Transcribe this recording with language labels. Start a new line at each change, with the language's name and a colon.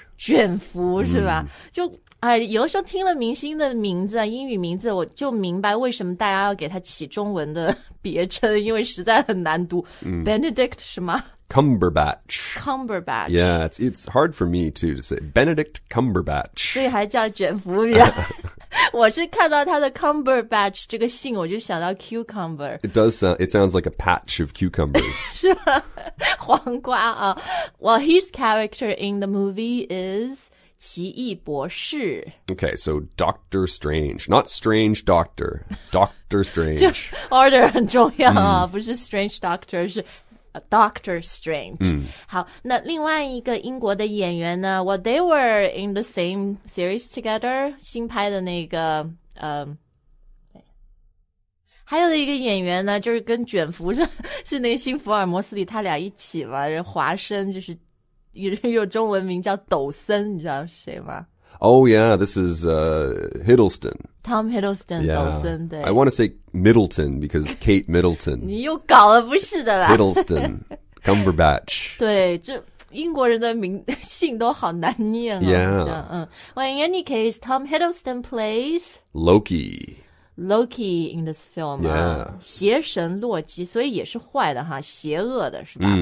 Chinese: 卷福是吧、就有的时候听了明星的名字啊英语名字我就明白为什么大家要给他起中文的别称因为实在很难读。 Benedict 是吗
English: Cumberbatch. Cumberbatch. Yeah, it's hard for me too to say. Benedict Cumberbatch.
Chinese: 所以还叫卷福比较。我是看到他的 Cumberbatch 这个姓我就想到 cucumber.
English: It sounds like a patch of cucumbers.
Chinese: 是吧黄瓜啊。
English: Well, his character in the movie is 奇异博士。 Okay, so Doctor Strange. Not Strange Doctor. Doctor Strange.
Chinese: 就 order 很重要啊、不是 Strange Doctor, 是 Doctor Strange.、好那另外一个英国的演员呢
English: well, they were in the same series together,
Chinese: 新拍的那个还有一个演员呢就是跟卷福是那个新福尔摩斯里他俩一起嘛华生就是有中文名叫抖森你知道是谁吗
English: Oh yeah, this is Hiddleston. Tom Hiddleston, yeah.
Chinese: 抖森对。
English: I want to say Middleton because Kate Middleton.
Chinese: 你又搞了不是的啦。
English: Hiddleston, Cumberbatch.
Chinese: 对这英国人的名姓都好难念啊。
English: Yeah. Well, in any case, Tom Hiddleston plays Loki. Loki in this film. Yeah.
Chinese: 邪神洛基，所以也是坏的哈，邪恶的是吧？